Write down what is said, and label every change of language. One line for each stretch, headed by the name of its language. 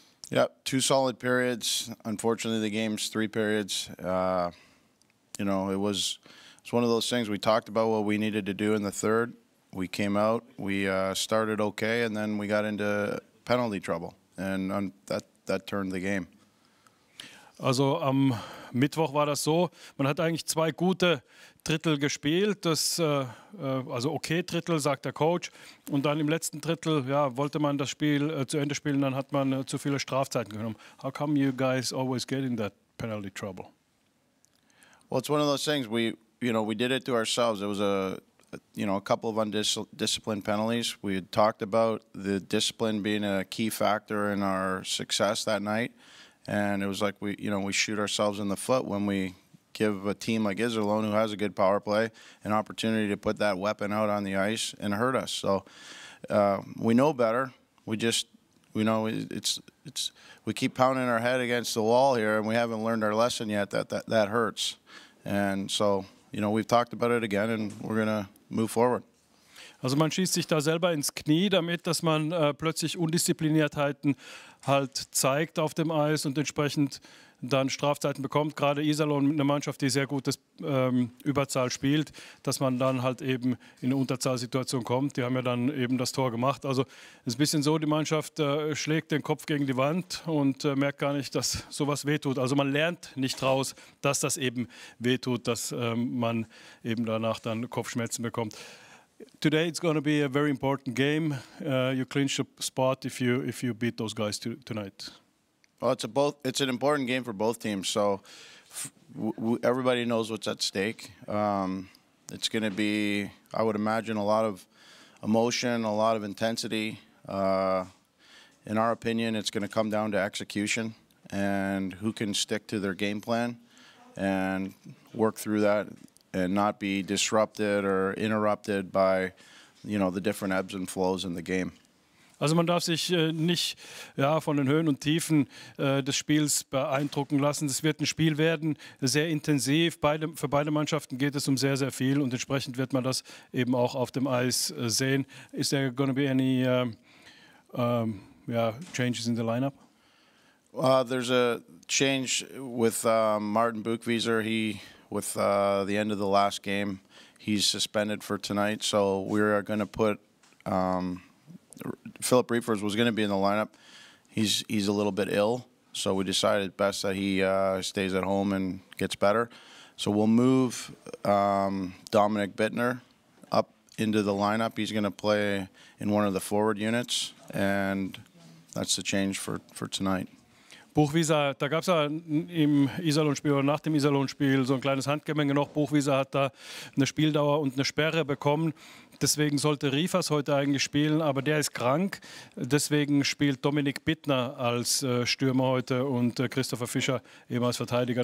English: Yeah, two solid periods. Unfortunately, the game's three periods. It's one of those things. We talked about what we needed to do in the third. We came out, we started okay, and then we got into penalty trouble, and that turned the game.
German: Also am Mittwoch war das so, man hat eigentlich zwei gute Drittel gespielt, also okay Drittel, sagt der Coach. Und dann im letzten Drittel wollte man das Spiel zu Ende spielen, dann hat man zu viele Strafzeiten genommen.
English: How come you guys always get in that penalty trouble? Well, it's one of those things. We did it to ourselves. It was a couple of undisciplined penalties. We had talked about the discipline being a key factor in our success that night. And it was like we shoot ourselves in the foot when we give a team like Iserlohn, who has a good power play, an opportunity to put that weapon out on the ice and hurt us. So we know better. We keep pounding our head against the wall here, and we haven't learned our lesson yet that hurts. And so we've talked about it again, and we're gonna move forward.
German: Also man schießt sich da selber ins Knie damit, dass man plötzlich Undiszipliniertheiten halt zeigt auf dem Eis und entsprechend dann Strafzeiten bekommt. Gerade Iserlohn, eine Mannschaft, die sehr gutes Überzahl spielt, dass man dann halt eben in eine Unterzahlsituation kommt. Die haben ja dann eben das Tor gemacht. Also es ist ein bisschen so, die Mannschaft schlägt den Kopf gegen die Wand und merkt gar nicht, dass sowas wehtut. Also man lernt nicht raus, dass das eben wehtut, dass man eben danach dann Kopfschmerzen bekommt.
English: Today it's going to be a very important game. You clinch a spot if you beat those guys tonight. Well, it's an important game for both teams. So everybody knows what's at stake. It's going to be, I would imagine, a lot of emotion, a lot of intensity. In our opinion, it's going to come down to execution and who can stick to their game plan and work through that and not be disrupted or interrupted by, the different ebbs and flows in the game.
German: Also man darf sich nicht von den Höhen und Tiefen des Spiels beeindrucken lassen. Es wird ein Spiel werden, sehr intensiv. Für beide Mannschaften geht es um sehr, sehr viel. Und entsprechend wird man das eben auch auf dem Eis sehen.
English: Is there going to be any changes in the lineup? There's a change with Martin Buchwieser. With the end of the last game, he's suspended for tonight. So we are going to put Philip Reifers was going to be in the lineup. He's a little bit ill, so we decided best that he stays at home and gets better. So we'll move Dominic Bittner up into the lineup. He's going to play in one of the forward units, and that's the change for tonight.
German: Buchwieser, da gab es ja im Iserlohn-Spiel oder nach dem Iserlohn-Spiel so ein kleines Handgemenge noch. Buchwieser hat da eine Spieldauer und eine Sperre bekommen. Deswegen sollte Reifers heute eigentlich spielen, aber der ist krank. Deswegen spielt Dominik Bittner als Stürmer heute und Christopher Fischer eben als Verteidiger.